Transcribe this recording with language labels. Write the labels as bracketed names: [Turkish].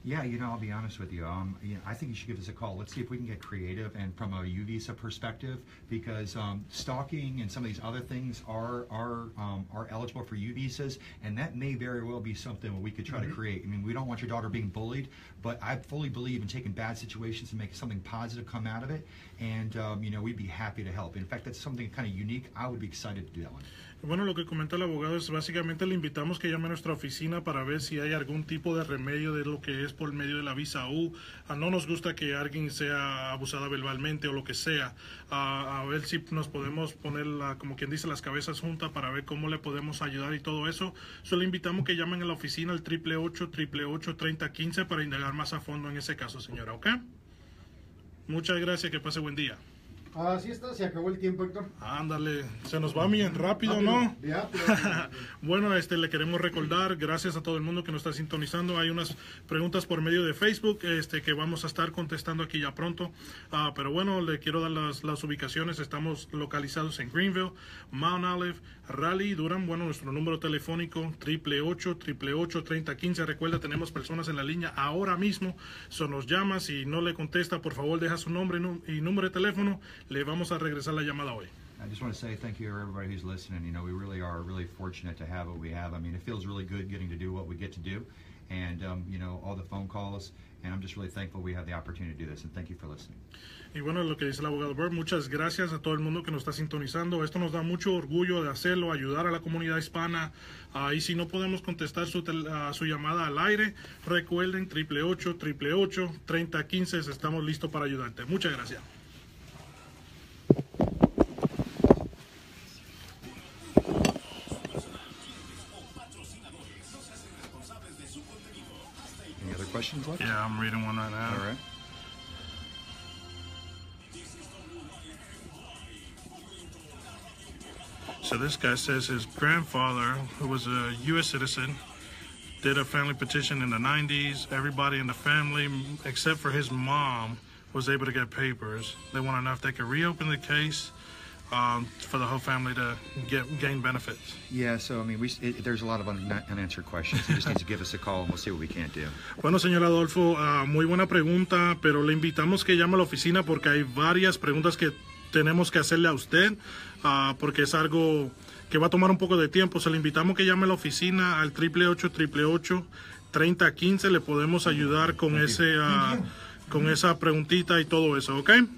[English] Yeah, you know, I'll be honest with you. You know, I think you should give us a call. Let's see if we can get creative and from a U visa perspective, because stalking and some of these other things are eligible for U visas, and that may very well be something we could try to create. I mean, we don't want your daughter being bullied, but I fully believe in taking bad situations and making something positive come out of it. And you know, we'd be happy to help. In fact, that's something kind of unique. I would be excited to do that one. [Spanish] Bueno, lo que comenta el abogado es básicamente le invitamos que llame a nuestra oficina para ver si hay algún tipo de remedio de lo que es por medio de la visa U. No nos gusta que alguien sea abusada verbalmente o lo que sea. A ver si nos podemos poner, la, como quien dice, las cabezas juntas para ver cómo le podemos ayudar y todo eso. Solo le invitamos que llamen a la oficina al 888-888-3015 para indagar más a fondo en ese caso, señora. ¿Ok? Muchas gracias. Que pase buen día. Así está, se acabó el tiempo, Héctor. Ándale, se nos va bien rápido, ¿no? Bueno, le queremos recordar, gracias a todo el mundo que nos está sintonizando. Hay unas preguntas por medio de Facebook que vamos a estar contestando aquí ya pronto. Pero bueno, le quiero dar las ubicaciones. Estamos localizados en Greenville, Mount Olive, Raleigh, Durham. Bueno, nuestro número telefónico, 888-888-3015. Recuerda, tenemos personas en la línea ahora mismo. Son nos llama, si no le contesta, por favor, deja su nombre y número de teléfono. Le vamos a regresar la llamada hoy. [English] I just want to say thank you to everybody who's listening. You know, we really are really fortunate to have what we have. I mean, it feels really good getting to do what we get to do. And, you know, all the phone calls. And I'm just really thankful we have the opportunity to do this. And thank you for listening. [Spanish] Y bueno, lo que dice el abogado Bird, muchas gracias a todo el mundo que nos está sintonizando. Esto nos da mucho orgullo de hacerlo, ayudar a la comunidad hispana. Y si no podemos contestar su llamada al aire, recuerden 888-888-3015. Estamos listos para ayudarte. Muchas gracias. [English] Yeah, I'm reading one right now. All right. So this guy says his grandfather, who was a U.S. citizen, did a family petition in the 90s. Everybody in the family, except for his mom, was able to get papers. They want to know if they could reopen the case. For the whole family to gain benefits. Yeah, so, I mean, there's a lot of unanswered questions. He just needs to give us a call and we'll see what we can't do. [Spanish] Bueno, señor Adolfo, muy buena pregunta, pero le invitamos que llame a la oficina porque hay varias preguntas que tenemos que hacerle a usted, porque es algo que va a tomar un poco de tiempo. O sea, le invitamos que llame a la oficina al 888-888-3015. Le podemos ayudar con esa preguntita y todo eso, ¿ok?